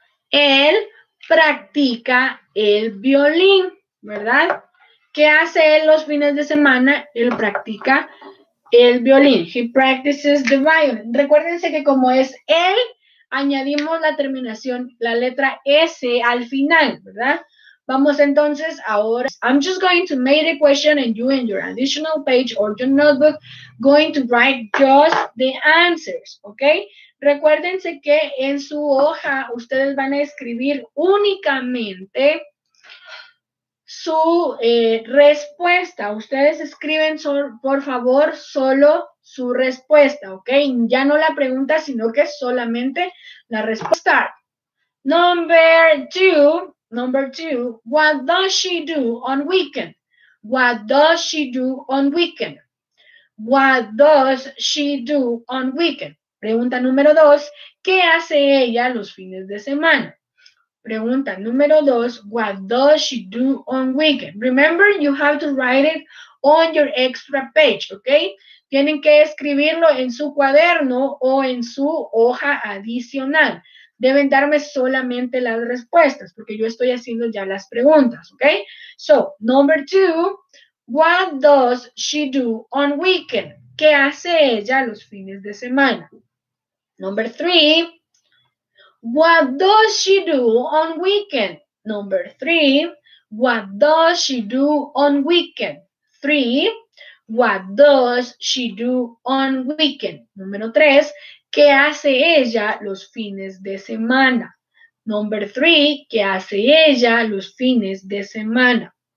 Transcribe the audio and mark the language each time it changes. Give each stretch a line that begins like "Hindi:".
Spanish: Él practica el violín, ¿verdad? ¿Qué hace él los fines de semana? Él practica el violín.
English: He practices the violin.
Spanish: Recuérdense que como es él, añadimos la terminación, la letra S al final, ¿verdad? Vamos entonces ahora.
English: I'm just going to make a question and you in your additional page or your notebook going to write just the answers, ¿ok?
Spanish: Recuérdense que en su hoja ustedes van a escribir únicamente su respuesta. Ustedes escriben, por favor, solo su respuesta, ¿ok? Ya no la pregunta, sino que solamente la respuesta.
English: Number two. Number two, what does she do on weekend? What does she do on weekend? What does she do on weekend?
Spanish: Pregunta número dos, ¿qué hace ella los fines de semana? Pregunta número dos,
English: what does she do on weekend? Remember, you have to write it on your extra page, ¿ok?
Spanish: Tienen que escribirlo en su cuaderno o en su hoja adicional. deben darme solamente las respuestas, porque yo estoy haciendo ya las preguntas, ¿ok?
English: So, number two, what does she do on weekend?
Spanish: ¿Qué hace ella los fines de semana?
English: Number three, what does she do on weekend? Number three, what does she do on weekend? Three, what does she do on weekend?
Spanish: Número tres, ¿qué hace ella los fines de semana?
English: Number three,
Spanish: ¿qué hace ella los fines de semana?